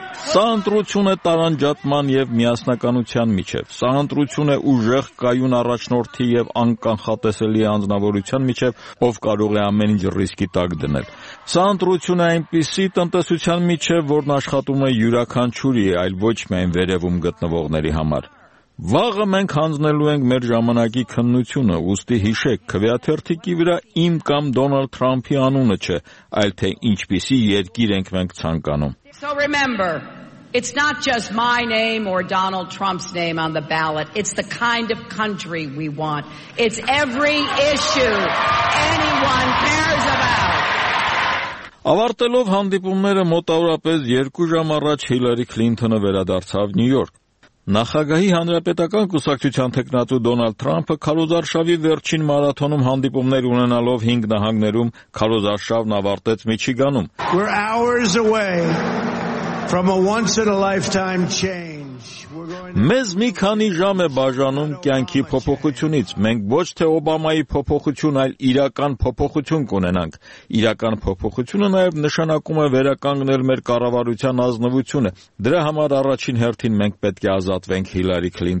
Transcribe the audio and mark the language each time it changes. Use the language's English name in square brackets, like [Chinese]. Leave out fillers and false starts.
[Armenian] Սա ընտրություն է տարանջատման և միասնականության միջև, սա ընտրություն է ուժեղ կայուն առաջնորդի և անկանխատեսելի անձնավորության միջև, ով կարող է ամեն ինչ ռիսկի տակ դնել։ Սա ընտրություն է այնպիսի տնտեսության միջև, որն աշխատում է յուրաքանչյուրի, այլ ոչ միայն վերևում գտնվողների համար։ Վաղը մենք հանձնելու ենք մեր ժամանակի քննությունը, ուստի հիշեք, քվեաթերթիկի վրա իմ կամ Դոնալդ Թրամփի անունը չէ, այլ թե ինչպիսի երկիր ենք մենք ցանկանում։ [English] So remember, It's not just my name or Donald Trump's name on the ballot. It's the kind of country we want. It's every issue anyone cares about. [Armenian] Ավարտելով հանդիպումները մոտավորապես 2 ժամ առաջ Հիլարի Քլինթոնը վերադարձավ Նյու Յորք։ Նախագահի հանրապետական կուսակցության թեկնածու Դոնալդ Թրամփը քարոզարշավի վերջին մարաթոնում հանդիպումներ ունենալով 5 նահանգներում քարոզարշավն ավարտեց Միչիգանում։ [English] We're hours away from a once in a lifetime change. [Armenian] Մեզ մի քանի ժամ է բաժանում կյանքի փոփոխությունից։ Մենք ոչ թե Օբամայի փոփոխություն, այլ իրական փոփոխություն կունենանք։ Իրական փոփոխությունը նաև նշանակում է վերականգնել մեր կառավարության ազնվությունը։ Դրա համար առաջին հերթին մենք պետք է ազատվենք Հիլարի